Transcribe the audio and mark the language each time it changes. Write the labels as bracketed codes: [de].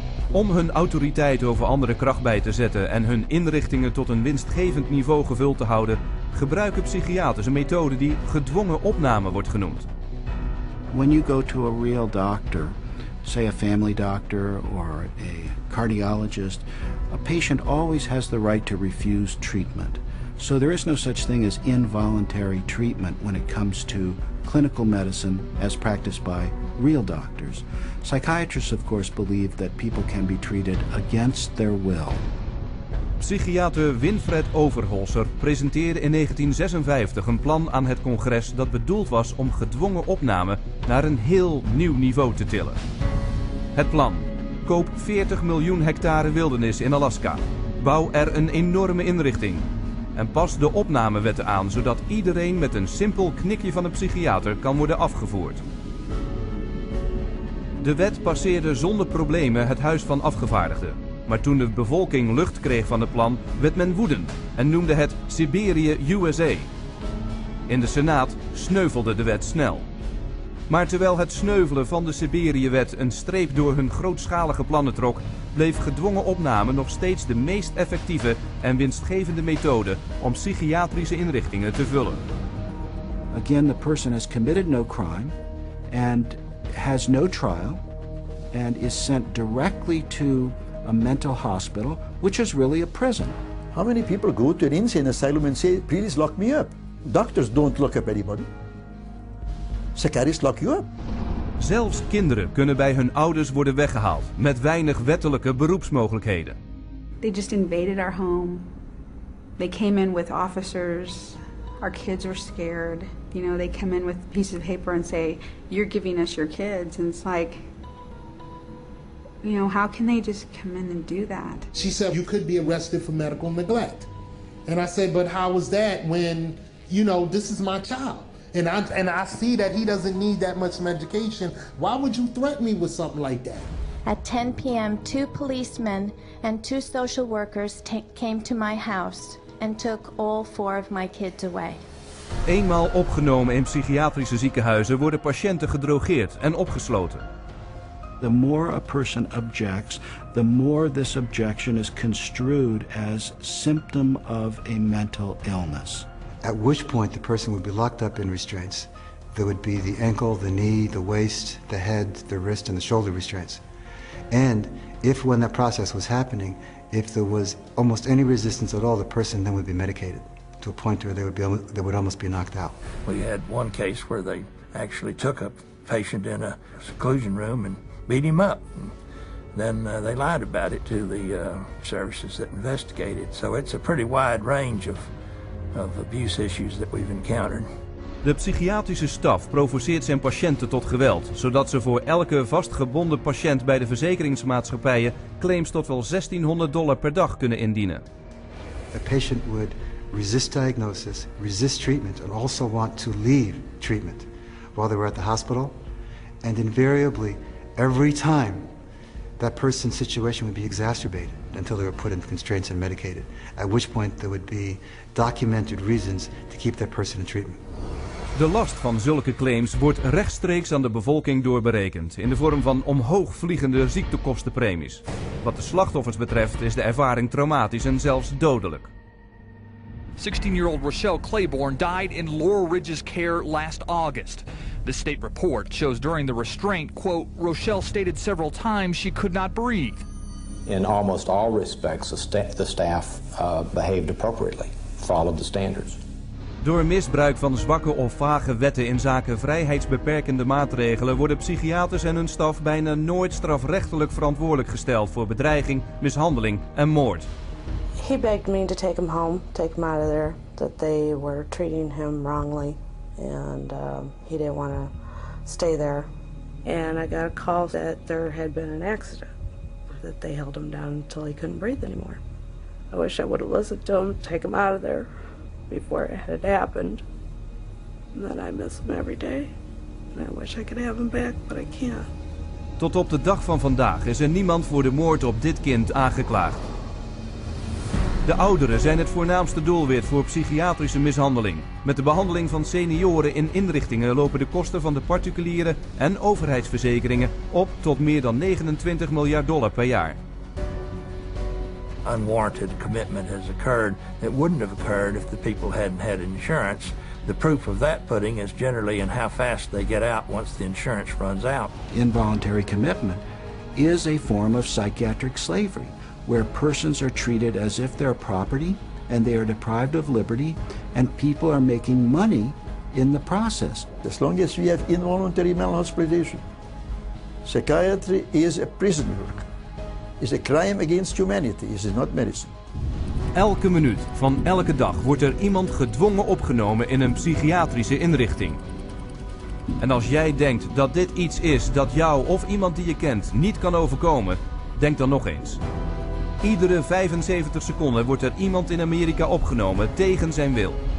[nl] Om hun autoriteit over andere kracht bij te zetten en hun inrichtingen tot een winstgevend niveau gevuld te houden, gebruiken psychiaters een methode die gedwongen opname wordt genoemd. [en] When you go to a real doctor, say a family doctor or a cardiologist, a patient always has the right to refuse treatment. So there is no such thing as involuntary treatment when it comes to clinical medicine as practiced by real doctors. Psychiatrists, of course, believe that people can be treated against their will. [nl] Psychiater Winfred Overholser presenteerde in 1956 een plan aan het congres dat bedoeld was om gedwongen opname naar een heel nieuw niveau te tillen. Het plan: koop 40 miljoen hectare wildernis in Alaska. Bouw er een enorme inrichting. En pas de opnamewetten aan, zodat iedereen met een simpel knikje van een psychiater kan worden afgevoerd. De wet passeerde zonder problemen het Huis van Afgevaardigden. Maar toen de bevolking lucht kreeg van het plan, werd men woedend en noemde het Siberië USA. In de Senaat sneuvelde de wet snel. Maar terwijl het sneuvelen van de Siberië-wet een streep door hun grootschalige plannen trok, bleef gedwongen opname nog steeds de meest effectieve en winstgevende methode om psychiatrische inrichtingen te vullen. [en] Again, the person has committed no crime and has no trial and is sent directly to a mental hospital, which is really a prison. How many people go to an insane asylum and say, please lock me up? Doctors don't lock up anybody. Psychiatrists lock you up. [nl] Zelfs kinderen kunnen bij hun ouders worden weggehaald met weinig wettelijke beroepsmogelijkheden. [en] They just invaded our home. They came in with officers. Our kids were scared. You know, they come in with pieces of paper and say, you're giving us your kids. And it's like, you know, how can they just come in and do that? She said, you could be arrested for medical neglect. And I said, but how was that when, you know, this is my child? And I see that he doesn't need that much medication. Why would you threaten me with something like that? At 10 p.m., two policemen and two social workers came to my house and took all four of my kids away. [nl] Eenmaal opgenomen in psychiatrische ziekenhuizen worden patiënten gedrogeerd en opgesloten. [en] The more a person objects, the more this objection is construed as symptom of a mental illness. At which point the person would be locked up in restraints. There would be the ankle, the knee, the waist, the head, the wrist, and the shoulder restraints. And if when that process was happening, if there was almost any resistance at all, the person then would be medicated to a point where they would almost be knocked out. We had one case where they actually took a patient in a seclusion room and beat him up. And then they lied about it to the services that investigated. So it's a pretty wide range of abuse issues that we've encountered. [nl] De psychiatrische staf provoceert zijn patiënten tot geweld, zodat ze voor elke vastgebonden patiënt bij de verzekeringsmaatschappijen claims tot wel $1,600 per dag kunnen indienen. [en] A patient would resist diagnosis, resist treatment, and also want to leave treatment while they were at the hospital. And invariably, every time, that person's situation would be exacerbated until they were put in constraints and medicated. At which point there would be documented reasons to keep that person in treatment. [nl] De last van zulke claims wordt rechtstreeks aan de bevolking doorberekend in de vorm van omhoog vliegende ziektekostenpremies. Wat de slachtoffers betreft is de ervaring traumatisch en zelfs dodelijk. [en] 16-year-old Rochelle Claiborne died in Laurel Ridge's care last August. The state report shows during the restraint, quote, Rochelle stated several times she could not breathe. In almost all respects, the staff behaved appropriately, followed the standards. [nl] Door misbruik van zwakke of vage wetten in zaken vrijheidsbeperkende maatregelen worden psychiaters en hun staf bijna nooit strafrechtelijk verantwoordelijk gesteld voor bedreiging, mishandeling en moord. [en] He begged me to take him home, take him out of there, that they were treating him wrongly, and he didn't want to stay there. And I got a call that there had been an accident, that they held him down until he couldn't breathe anymore. I wish I would have listened to him, take him out of there before it had happened. And then I miss him every day, and I wish I could have him back, but I can't. [nl] Tot op de dag van vandaag is er niemand voor de moord op dit kind aangeklaagd. De ouderen zijn het voornaamste doelwit voor psychiatrische mishandeling. Met de behandeling van senioren in inrichtingen lopen de kosten van de particuliere en overheidsverzekeringen op tot meer dan $29 miljard per jaar. [en] Unwarranted commitment has occurred. It wouldn't have occurred if the people hadn't had insurance. The proof of that pudding is generally in how fast they get out once the insurance runs out. Involuntary commitment is a form of psychiatric slavery, where persons are treated as if they're property and they are deprived of liberty and people are making money in the process. As long as we have involuntary mental hospitalization, psychiatry is a prison work. It's a crime against humanity, it is not medicine. [nl] Elke minuut van elke dag wordt er iemand gedwongen opgenomen in een psychiatrische inrichting. En als jij denkt dat dit iets is dat jou of iemand die je kent niet kan overkomen, denk dan nog eens. Iedere 75 seconden wordt er iemand in Amerika opgenomen tegen zijn wil.